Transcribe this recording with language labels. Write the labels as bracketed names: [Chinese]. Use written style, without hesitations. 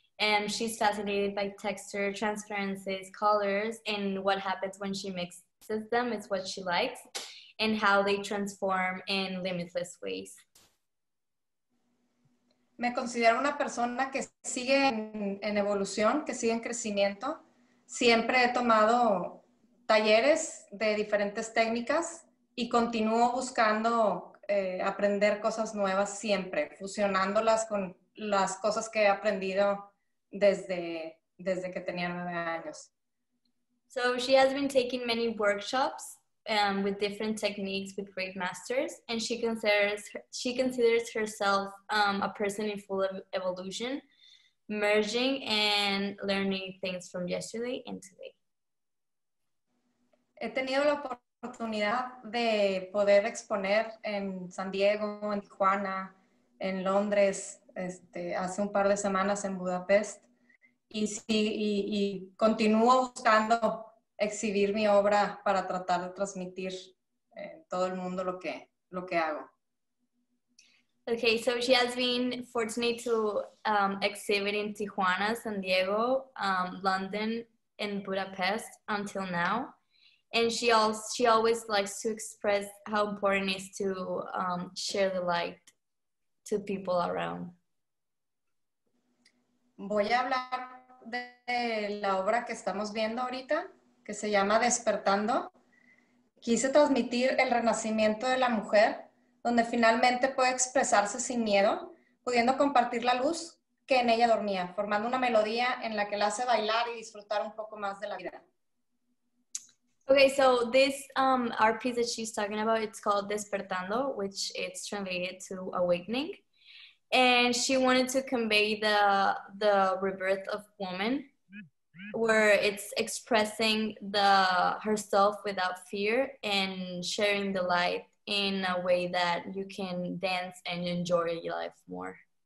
[English] And she's fascinated by texture, transparencies, colors, and what happens when she mixes them. It's what she likes, and how they transform in limitless ways. [Spanish] Me considero una persona que sigue en evolución, que sigue en crecimiento. Siempre he tomado talleres de diferentes técnicas y continúo buscando aprender cosas nuevas siempre, fusionándolas con las cosas que he aprendido desde que tenía 9 años. [English] So she has been taking many workshops with different techniques with great masters, and she considers herself a person in full evolution, merging and learning things from yesterday and today. [Spanish] He tenido la oportunidad de poder exponer en San Diego, en Tijuana, en Londres, hace un par de semanas en Budapest, y continúo buscando exhibir mi obra para tratar de transmitir todo el mundo lo que hago. [English] Okay, so she has been fortunate to exhibit in Tijuana, San Diego, London, and Budapest until now. And she always likes to express how important it is to share the light to people around. [Spanish] Voy a hablar de la obra que estamos viendo ahorita, que se llama Despertando. Quise transmitir el renacimiento de la mujer, donde finalmente puede expresarse sin miedo, pudiendo compartir la luz que en ella dormía, formando una melodía en la que la hace bailar y disfrutar un poco más de la vida. [English] Okay, so this art piece that she's talking about, it's called Despertando, which it's translated to awakening. And she wanted to convey the rebirth of woman, where it's expressing herself without fear and sharing the light in a way that you can dance and enjoy your life more.